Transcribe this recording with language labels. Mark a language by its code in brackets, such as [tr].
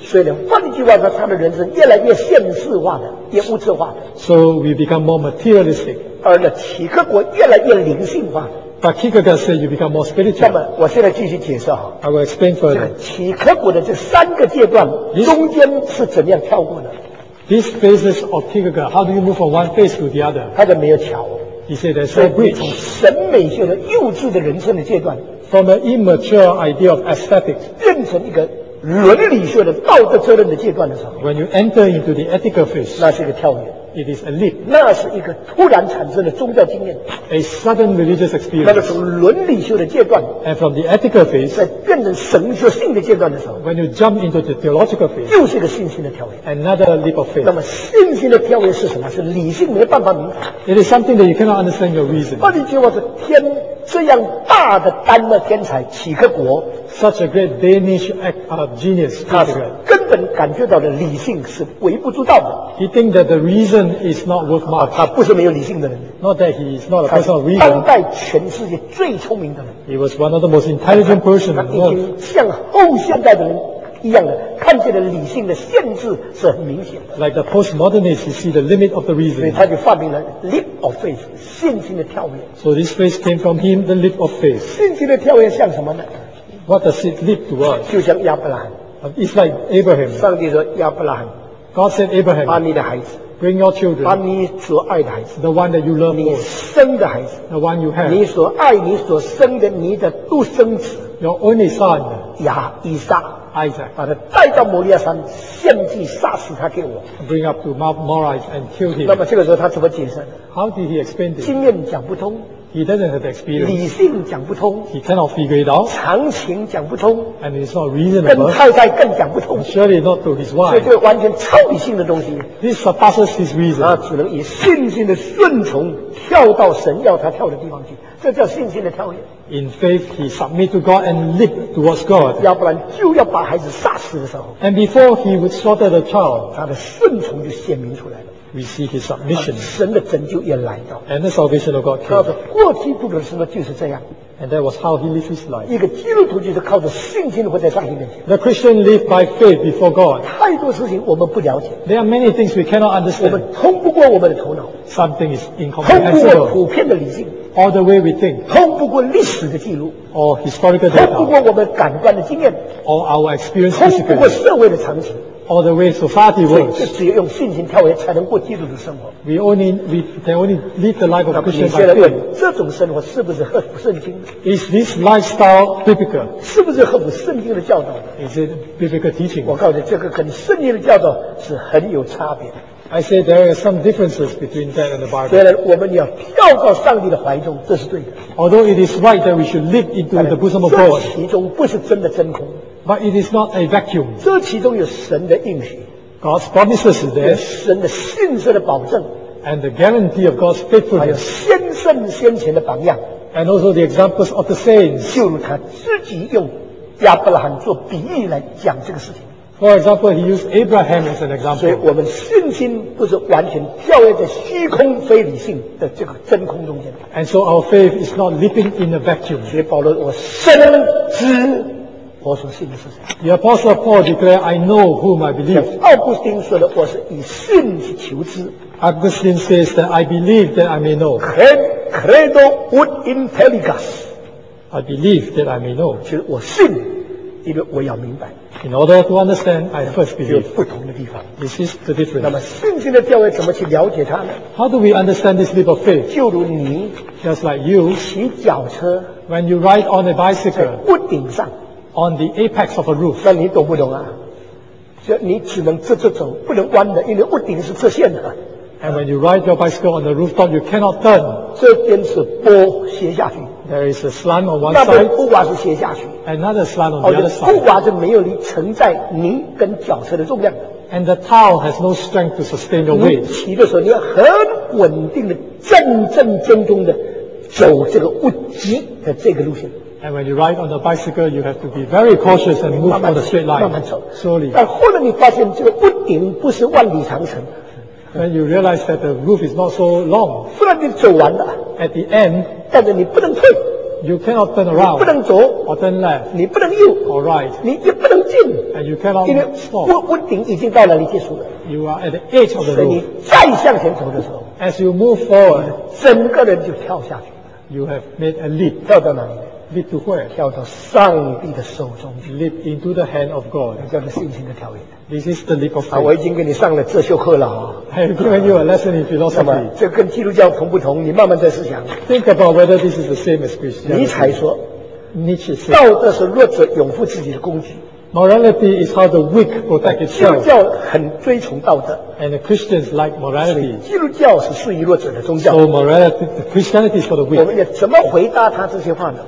[zh] 所以呢，换句话说，他的人生越来越现实化的，也物质化的。 [en] So we become more materialistic. [zh] 而呢，体格国越来越灵性化。 [en] But Kierkegaard said you become more spiritual. [zh] 那么我现在继续解释哈。 [en] I will explain further. [zh] 这个体格国的这三个阶段中间是怎样跳过的？ [en] These phases of Kierkegaard, how do you move from one phase to the other? [zh] 他就没有桥。 [en] He said there's no bridge. [zh] 从审美性的幼稚的人生的阶段。 [en] From an immature idea of aesthetics. [zh] 变成一个伦理学的道德责任的阶段的时候。 [en] When you enter into the ethical phase. [zh] 那是一个跳跃。 [en] It is a leap. [zh] 那是一个突然产生的宗教经验。 [en] A sudden religious experience. [zh] 那个从伦理学的阶段。 [en] And from the ethical phase. [zh] 在变成神学性的阶段的时候。 [en] When you jump into the theological phase. [zh] 又是一个信心的跳跃。 [en] Another leap of faith. [zh] 那么信心的跳跃是什么？是理性没办法明白。 [en] It is something that you cannot understand your reason. [zh] 换句话说，天这样大的丹麦天才齐克国。 [en] Such a great Danish act of genius. [zh] 他是根本感觉到的理性是微不足道的。 [en] He think that the reason is not worth much. [zh] 他不是没有理性的人。 [en] Not that he is not a person of reason. [zh] 当代全世界最聪明的人。 [en] He was one of the most intelligent person in the world. [zh] 他已经像后现代的人一样的，看见了理性的限制是很明显的。 [en] Like the postmodernists, you see the limit of the reason. [zh] 所以他就发明了 [en] leap of faith, [zh] 信心的跳跃。 [en] So this phrase came from him, the leap of faith. [zh] 信心的跳跃像什么呢？ [en] What does it leap to us? [zh] 就像亚伯拉罕。 [en] It's like Abraham. [zh] 上帝说亚伯拉罕。 [en] God said Abraham, [zh] 把你的孩子 [en] bring your children, [zh] 把你所爱的孩子 [en] the one that you love most, [zh] 你生的孩子 [en] the one you have, [zh] 你所爱你所生的你的独生子 [en] your only son, [zh] 亚以撒 [en] Isaac, [zh] 把他带到摩利亚山献祭杀死他给我 [en] bring up to Mount Moriah and kill him. [zh] 那么这个时候他怎么解释？ [en] How did he explain this? [zh] 经验讲不通。 [en] He doesn't have experience. [zh] 理性讲不通。 [en] He cannot figure it out. [zh] 常情讲不通。 [en] And it's not reasonable. [zh] 跟太太更讲不通。 [en] And surely not to his wife. [zh] 所以这个完全超理性的东西。 [en] This surpasses his reason. [zh] 他只能以信心的顺从跳到神要他跳的地方去。这叫信心的跳跃。 [en] In faith, he submit to God and leap towards God. [zh] 要不然就要把孩子杀死的时候。 [en] And before he would slaughter the child, [zh] 他的顺从就显明出来了。 [en] We see his submission. [zh] 神的拯救也来到。 [en] And the salvation of God came. [zh] 他说过基督的生活就是这样。 [en] And that was how he lived his life. [zh] 一个基督徒就是靠着信心活在上帝面前。 [en] The Christian lived by faith before God. [zh] 太多事情我们不了解。 [en] There are many things we cannot understand. [zh] 我们通不过我们的头脑。 [en] Something is incomprehensible. [zh] 通不过普遍的理性。 [en] Or the way we think. [zh] 通不过历史的记录。 [en] Or historical data. [zh] 通不过我们感官的经验。 [en] Or our experience physically. [zh] 通不过社会的常识。 [en] All the way society works. [zh] 所以，只有用信心跳跃，才能过基督的生活。 [en] We can only live the life of Christian faith. [zh] 那么，你现在问，这种生活是不是合乎圣经 [en] ？Is this lifestyle biblical? [zh] 是不是合乎圣经的教导 [en] ？Is it biblical teaching? [zh] 我告诉你，这个跟圣经的教导是很有差别的。 [en] I say there are some differences between that and the Bible. [zh] 虽然我们要跳到上帝的怀中，这是对的。 [en] Although it is right that we should live into the bosom of God. [zh] 这其中不是真的真空。 [en] But it is not a vacuum. [zh] 这其中有神的应许。 [en] God's promises are there. [zh] 有神的信实的保证。 [en] And the guarantee of God's faithfulness. [zh] 还有先圣先前的榜样。 [en] And also the examples of the saints. [zh] 就如他自己用亚伯拉罕做比喻来讲这个事情。 [en] For example, he used Abraham as an example. [zh] 所以我们信心不是完全跳跃在虚空非理性的这个真空中间。 [en] And so our faith is not living in a vacuum. [zh] 所以保罗，我深知我所信的是谁。 [en] The Apostle Paul declared, "I know whom I believe." [zh] 奥古斯丁说的，我是以信去求知。 [en] Augustine says that I believe that I may know. [la] Credo ut intelligas. [en] I believe that I may know. [zh] 就是我信。因为我要明白。 [en] In order to understand, I first believe. [zh] 有不同的地方。 [en] This is the difference. [zh] 那么信心的跳跃怎么去了解它呢？ [en] How do we understand this leap of faith? [zh] 就如你 [en] ，just like you， [zh] 骑脚车 [en] ，when you ride on a bicycle， [zh] 在屋顶上 [en] ，on the apex of a roof。 [zh] 那你懂不懂啊？就你只能直直走，不能弯的，因为屋顶是直线的。 [en] And when you ride your bicycle on the rooftop, you cannot turn. [zh] 这边是坡斜下去。 [en] There is a slant on one side. [zh] 那边不管是斜下去。 [en] Another slant on the other side. [zh] 不管是没有力承载您跟脚车的重量。 [en] And the tower has no strength to sustain your weight. [zh] 你骑的时候，你要很稳定的、正正中中的走这个屋脊的这个路线。 [en] And when you ride on the bicycle, you have to be very cautious and move on the straight line. [zh] 慢慢走。 [en] Slowly. [zh] 但后来你发现这个屋顶不是万里长城。 [en] When you realize that the roof is not so long, [zh] 虽然你走完了 [en] at the end, [zh] 但是你不能退 [en] You cannot turn around. [zh] 你不能左。 [en] Or turn left. [zh] 你不能右。 [en] Or right. [zh] 你也不能进。 [en] And you cannot stop. [zh] 因为屋顶已经到了临界处了。 [en] You are at the edge of the roof. [zh] 所以你再向前走的时候。 [en] As you move forward. [zh] 整个人就跳下去了。 [en] You have made a leap. [zh] 跳到哪里？ [en] Leap to where? [zh] 跳到上帝的手中去。 [en] Leap into the hand of God. [zh] 这叫做信心的跳跃。 [en] This is the leap of faith. [zh] 我已经给你上了哲学课了 [en] 啊。I've given you a lesson in philosophy. [zh] 这跟基督教同不同？你慢慢再思想。 [en] Think about whether this is the same as Christianity. [zh] 尼采说 [en] ，Nietzsche said, [zh] 道德是弱者拥护自己的工具。 [en] Morality is how the weak protect itself. [zh] 基督教很追崇道德。 [en] And the Christians like morality. [zh] 基督教是适宜弱者的宗教。 [en] So morality, Christianity is for the weak. [zh] 我们也怎么回答他这些话呢